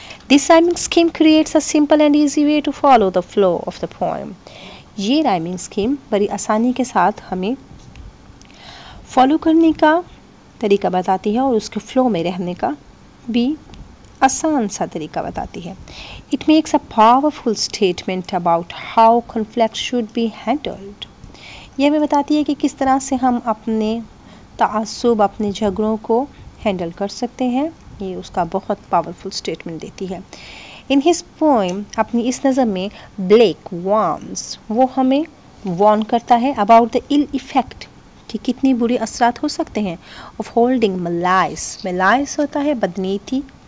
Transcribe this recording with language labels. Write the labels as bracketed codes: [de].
[en] This rhyming scheme creates a simple and easy way to follow the flow of the poem. [hi] ये rhyming scheme बड़ी आसानी के साथ हमें follow करने का तरीका बताती है और उसके flow में रहने का भी आसान सा तरीका बताती है. [en] It makes a powerful statement about how conflict should be handled. [hi] ये हमें बताती है कि किस तरह से हम अपने तासुब अपने झगड़ों को हैंडल कर सकते हैं ये उसका बहुत पावरफुल स्टेटमेंट देती है [en] in his poem [hi] अपनी इस नज़म में ब्लेक वार्न्स वो हमें वार्न करता है [en] about the ill effect [hi] कि कितनी बुरी असरात हो सकते हैं [en] of holding malice [hi] मलाइस होता है बदनीति